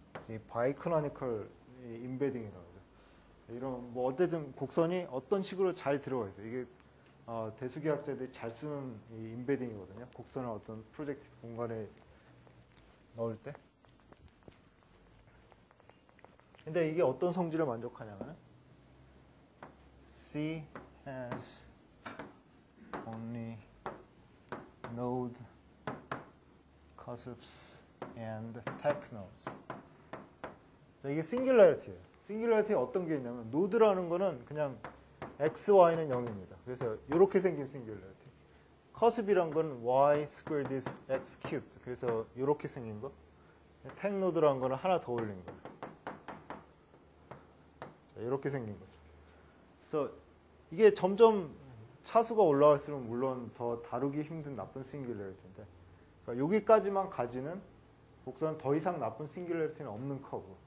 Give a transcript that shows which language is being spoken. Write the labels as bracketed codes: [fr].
[ko] 이 바이크로니컬 인베딩이라고요. 이런 뭐 어쨌든 곡선이 어떤 식으로 잘 들어가 있어요. 이게 대수기학자들이 잘 쓰는 이 인베딩이거든요. 곡선을 어떤 프로젝트 공간에 넣을 때. 근데 이게 어떤 성질을 만족하냐면 [en] C has only node cusps and tap nodes. [ko] 자, 이게 싱귤러리티예요. 싱귤러리티가 어떤 게 있냐면 노드라는 거는 그냥 x, y는 0입니다. 그래서 이렇게 생긴 싱귤러리티. 커스비란 건 [en] y squared is x cubed. [ko] 그래서 이렇게 생긴 거. 탭노드라는 거는 하나 더 올린 거예요. 자, 이렇게 생긴 거죠. 그래서 이게 점점 차수가 올라갈수록 물론 더 다루기 힘든 나쁜 싱귤래리티인데 그러니까 여기까지만 가지는 복선은 더 이상 나쁜 싱귤래리티는 없는 커브.